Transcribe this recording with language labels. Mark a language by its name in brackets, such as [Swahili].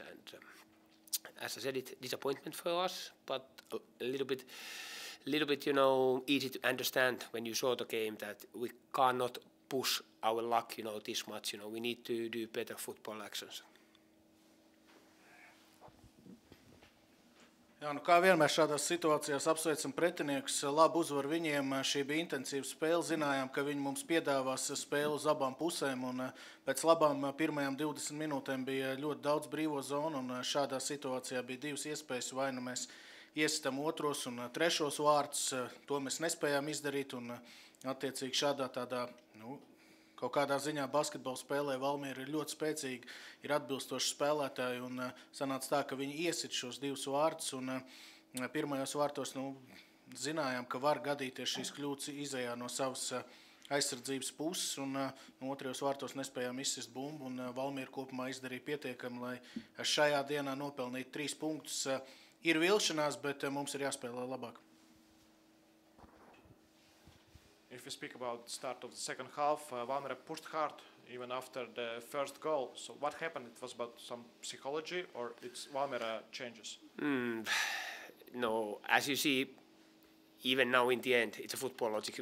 [English] And as I said, it disappointment for us, but a little bit, you know, easy to understand when you saw the game that we cannot push our luck, you know, this much. You know, we need to do better football actions. [Latvian] Jā, nu kā vienmēr šādās situācijās apsveicam pretiniekus, labu uzvaru viņiem, šī bija intensīva spēle, zinājām, ka viņi mums piedāvās spēli uz abām pusēm, un pēc labām pirmajām 20 minūtēm bija ļoti daudz brīvo zonu, un šādā situācijā bija divas iespējas, vai nu mēs iesitam otros un trešos vārtus, to mēs nespējām izdarīt, un attiecīgi šādā tādā, nu, kaut kādā ziņā basketbola spēlē Valmiera ir ļoti spēcīga, ir atbilstoši spēlētāji un sanāca tā, ka viņi iesit šos divus vārtus un pirmajos vārtos, nu, zinājām, ka var gadīties šīs kļūdas izejā no savas aizsardzības puses un otrajos vārtos nespējām izsist bumbu un Valmiera kopumā izdarīja pietiekami, lai šajā dienā nopelnītu 3 punktus. Ir vilšanās, bet mums ir jāspēlē labāk. [English] If we speak about the start of the second half, Valmiera pushed hard even after the first goal. So what happened? It was about some psychology or it's Valmiera changes? No, as you see, even now in the end, it's a football logic.